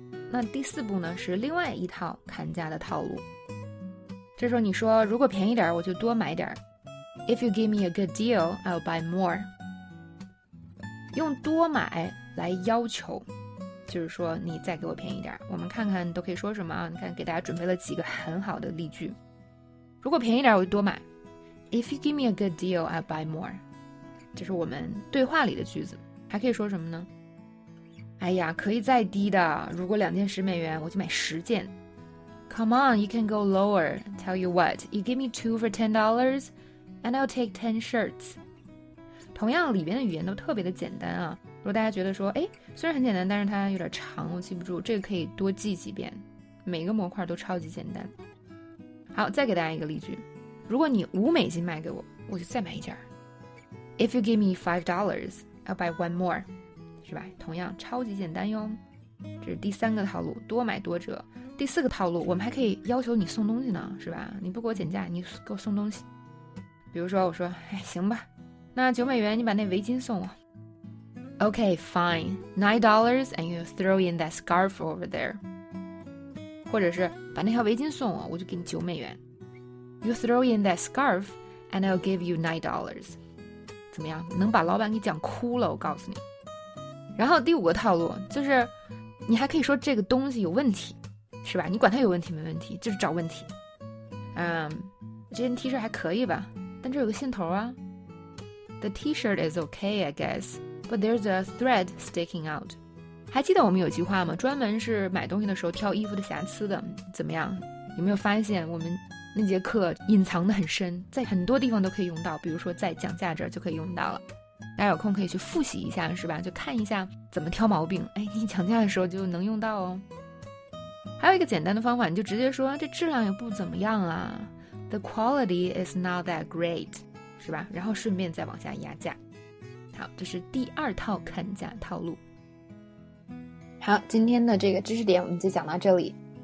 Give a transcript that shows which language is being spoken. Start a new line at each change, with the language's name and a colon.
Chinese: 那第四步呢是另外一套砍价的套路，这时候你说如果便宜点我就多买点，
English: If you give me a good deal I'll buy more。
Chinese: 用多买来要求，就是说你再给我便宜点。我们看看都可以说什么啊？你看，给大家准备了几个很好的例句。如果便宜点，我就多买。
English: If you give me a good deal, I'll buy more。
Chinese: 这是我们对话里的句子。还可以说什么呢？哎呀，可以再低的。如果两件$10，我就买10件。
English: Come on, you can go lower. Tell you what, you give me 2 for $10, and I'll take 10 shirts.
Chinese: 同样里边的语言都特别的简单啊，如果大家觉得说哎，虽然很简单但是它有点长我记不住，这个可以多记几遍，每个模块都超级简单。好，再给大家一个例句，如果你5美金卖给我我就再买一件。
English: If you give me $5 I'll buy one more，
Chinese: 是吧，同样超级简单哟。这是第三个套路，多买多折。第四个套路，我们还可以要求你送东西呢，是吧，你不给我减价你给我送东西。比如说我说哎，行吧，那$9你把那围巾送我。
English: OK, fine, $9 and you throw in that scarf over there.
Chinese: 或者是把那条围巾送我，我就给你$9。
English: You throw in that scarf and I'll give you $9.
Chinese: 怎么样，能把老板给讲哭了我告诉你。然后第五个套路，就是你还可以说这个东西有问题，是吧，你管它有问题没问题，就是找问题。这件 T 恤还可以吧，但这有个线头啊。
English: The T-shirt is okay, I guess, but there's a thread sticking out.
Chinese: 还记得我们有句话吗？专门是买东西的时候挑衣服的瑕疵的。怎么样？有没有发现我们那节课隐藏的很深，在很多地方都可以用到，比如说在讲价这就可以用到了。大家有空可以去复习一下，是吧？就看一下怎么挑毛病。哎，你讲价的时候就能用到哦。还有一个简单的方法，你就直接说这质量也不怎么样啊。
English: The quality is not that great.
Chinese: 是吧，然后顺便再往下压价。好，这是第二套砍价套路。好，今天的这个知识点我们就讲到这里。